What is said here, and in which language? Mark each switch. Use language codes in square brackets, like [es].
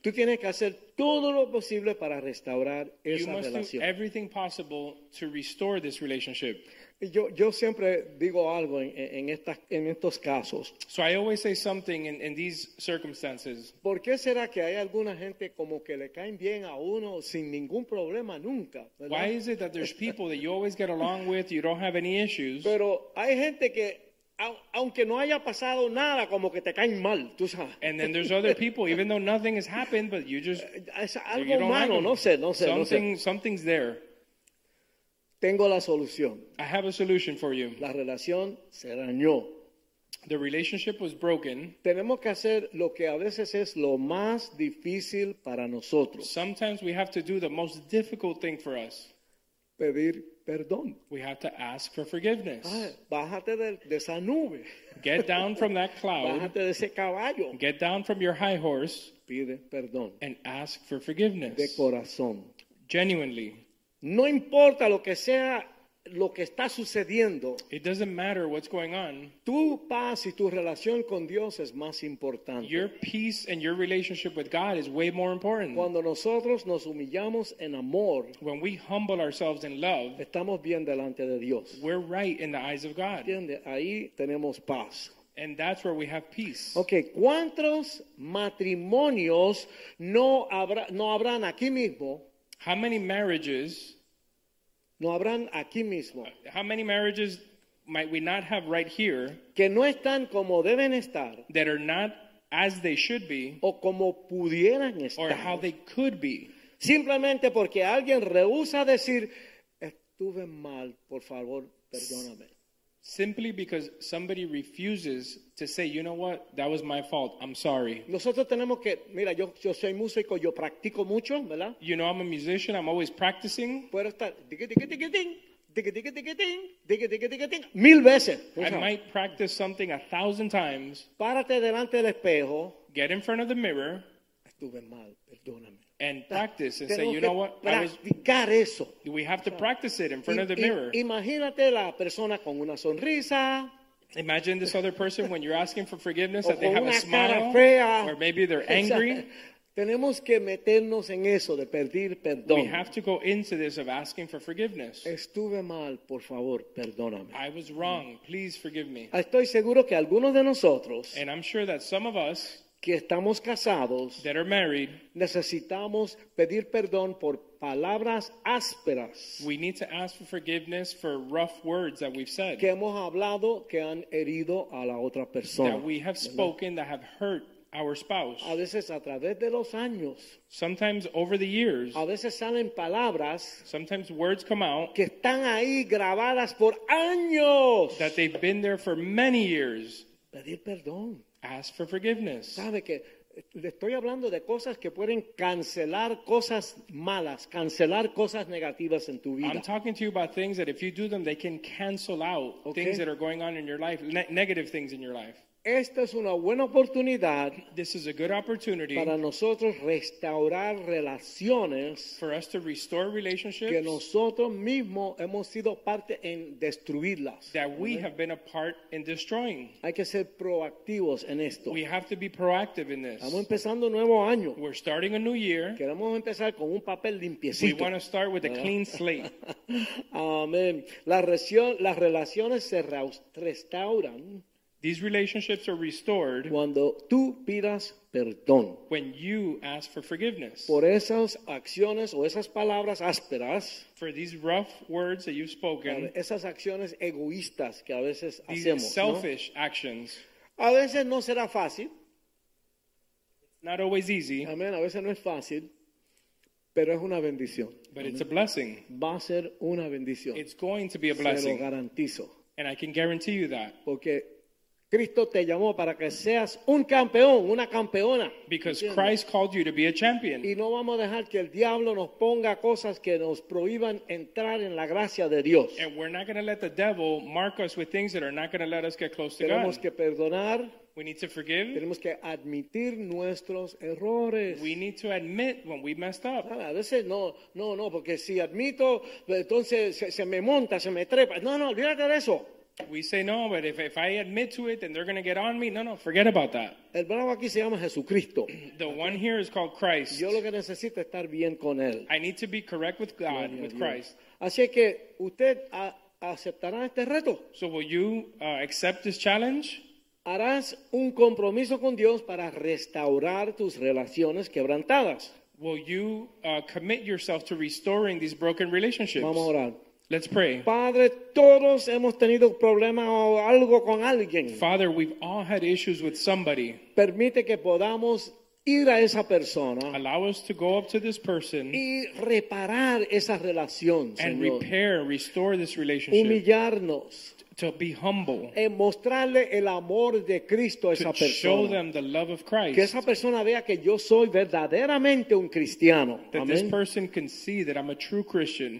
[es] Tú tienes que hacer todo lo posible para restaurar esa relación. [en] You must do everything possible to restore this relationship. [es] Yo siempre digo algo en estos casos. [en] So I always say something in these circumstances. [es] ¿Por qué será que hay alguna gente como que le caen bien a uno sin ningún problema nunca? ¿Verdad? [en] Why is it that there's people that you always get along with, you don't have any issues? [es] Pero hay gente que aunque no haya pasado nada, como que te caen mal, tú sabes. [en] And then there's other people, even though nothing has happened, but you just, [es] es algo malo, [en] like [es] no sé. [en] Something's there. [es] Tengo la solución. [en] I have a solution for you. [es] La relación se dañó. [en] The relationship was broken. [es] Tenemos que hacer lo que a veces es lo más difícil para nosotros. [en] Sometimes we have to do the most difficult thing for us. [es] Pedir perdón. [en] We have to ask for forgiveness. [es] Bájate de esa nube. [en] Get down from that cloud. [es] Bájate de ese caballo. [en] Get down from your high horse. [es] Pide perdón. [en] And ask for forgiveness. [es] De corazón. [en] Genuinely. [es] No importa lo que sea lo que está sucediendo. [en] It doesn't matter what's going on. [es] Tu paz y tu relación con Dios es más importante. [en] Your peace and your relationship with God is way more important. [es] Cuando nosotros nos humillamos en amor, [en] when we humble ourselves in love, [es] estamos bien delante de Dios. [en] We're right in the eyes of God. [es] ¿Entiende? Ahí tenemos paz. [en] And that's where we have peace. [es] Okay, ¿cuántos matrimonios no habrán aquí mismo? [en] How many marriages? [es] No habrán aquí mismo. [en] How many marriages might we not have right here? [es] Que no están como deben estar. [en] That are not as they should be. [es] O como pudieran estar. [en] Or how they could be. [es] Simplemente porque alguien rehúsa decir, estuve mal, por favor, perdóname. [en] Simply because somebody refuses to say, you know what, that was my fault, I'm sorry. [es] Nosotros tenemos que, mira, yo soy músico, yo practico mucho, ¿verdad? [en] You know, I'm a musician, I'm always practicing. [es] Puedo estar, digi-digi-digi-ding, mil veces. [en] I might practice something 1,000 times. [es] Párate delante del espejo. [en] Get in front of the mirror. [es] Estuve mal, perdóname. [en] And practice and say, you know what? [es] Practicar eso. [en] We have to practice it in front of the mirror. [es] Imagínate la persona con una sonrisa. [en] Imagine this other person when you're asking for forgiveness that they have a smile. [es] Fea. [en] Or maybe they're angry. [es] Tenemos que meternos en eso de pedir perdón. [en] We have to go into this of asking for forgiveness. [es] Estuve mal, por favor, perdóname. [en] I was wrong. Please forgive me. [es] Estoy seguro que algunos de nosotros. [en] And I'm sure that some of us. [es] Que estamos casados, [en] that are married, [es] necesitamos pedir perdón por palabras ásperas. [en] We need to ask for forgiveness for rough words that we've said. [es] Que hemos hablado que han herido a la otra persona. [en] That we have spoken, [es] ¿verdad? [en] That have hurt our spouse. [es] A veces a través de los años. [en] Sometimes over the years. [es] A veces salen palabras. [en] Sometimes words come out. [es] Que están ahí grabadas por años. [en] That they've been there for many years. [es] Pedir perdón. [en] Ask for forgiveness. [es] Sabe que le estoy hablando de cosas que pueden cancelar cosas malas, cancelar cosas negativas en tu vida. [en] I'm talking to you about things that if you do them, they can cancel out okay. Things that are going on in your life, negative things in your life. [es] Esta es una buena oportunidad. [en] This is a good opportunity [es] para nosotros restaurar relaciones. [en] For us to restore relationships [es] que nosotros mismos hemos sido parte en destruirlas. [en] That we have been a part in destroying. [es] Hay que ser proactivos en esto. [en] We have to be proactive in this. [es] Estamos empezando un nuevo año. [en] We're starting a new year. [es] Queremos empezar con un papel limpiecito. [en] We want to start with a clean slate. [es] Amén. Las relaciones se restauran. [en] These relationships are restored [es] cuando tú pidas perdón. [en] When you ask for forgiveness. [es] Por esas acciones o esas palabras ásperas. [en] For these rough words that you've spoken. [es] Esas acciones egoístas que a veces [en] these [es] hacemos, [en] selfish [es] ¿no? [en] Actions. [es] A veces no será fácil. [en] Not always easy. [es] Amén, a veces no es fácil. Pero es una bendición. [en] But amen. It's a blessing. [es] Va a ser una bendición. [en] It's going to be a blessing. [es] Se lo garantizo. [en] And I can guarantee you that. [es] Porque Cristo te llamó para que seas un campeón, una campeona. [en] Because Christ called you to be a champion. [es] Y no vamos a dejar que el diablo nos ponga cosas que nos prohíban entrar en la gracia de Dios. [en] And we're not going to let the devil mark us with things that are not going to let us get close to God. [es] Tenemos que perdonar. [en] We need to forgive. [es] Tenemos que admitir nuestros errores. [en] We need to admit when we messed up. [es] A veces no, porque si admito, entonces se me monta, se me trepa. No, olvídate de eso. [en] We say no, but if I admit to it, then they're going to get on me. No, forget about that. [es] El bravo aquí se llama Jesucristo. [en] The one here is called Christ. [es] Yo lo que necesito es estar bien con él. [en] I need to be correct with God, with Christ. [es] Así que usted aceptará este reto. [en] So will you accept this challenge? [es] Harás un compromiso con Dios para restaurar tus relaciones quebrantadas. [en] Will you commit yourself to restoring these broken relationships? [es] Vamos a orar. [en] Let's pray. [es] Padre, todos hemos tenido problema o algo con alguien. [en] Father, we've all had issues with somebody. [es] Permite que podamos ir a esa persona. [en] Allow us to go up to this person. [es] Y reparar esa relación, Señor. [en] And repair, restore this relationship. [es] Humillarnos. [en] To be humble. [es] En mostrarle el amor de Cristo a esa persona. [en] To show them the love of Christ. [es] Que esa persona vea que yo soy verdaderamente un cristiano. [en] That this person can see that I'm a true Christian.